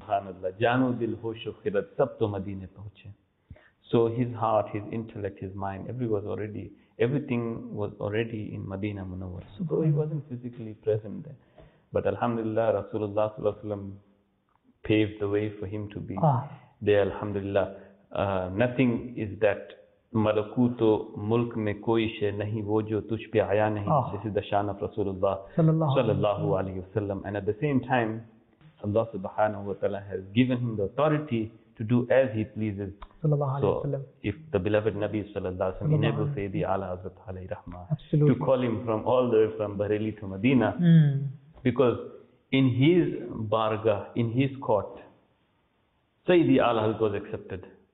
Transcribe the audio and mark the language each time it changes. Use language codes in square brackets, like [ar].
[ur] Subhanallah. Janu bil hush u khirat sab to Madine pahunche. [en] So his heart, his intellect, his mind, everything was already in Madina Munawwar. So he wasn't physically present there. But Alhamdulillah, Rasulullah Sallallahu Alaihi Wasallam paved the way for him to be there. Alhamdulillah. Nothing is that [ur] ملکوت و ملک میں کوئی شے نہیں وہ جو تجھ پہ آیا نہیں. [en] This is the shan of Rasulullah sallallahu alayhi wa sallam. And at the same time, Allah subhanahu wa ta'ala has given him the authority to do as he pleases. So if the beloved Nabi sallallahu alayhi wa sallam enables Sayyidi Ala Hazrat alayhi rahmah to call him from all the way from Bareilly to Medina, because in his bargah, in his court, Sayyidi Ala Hazrat was accepted.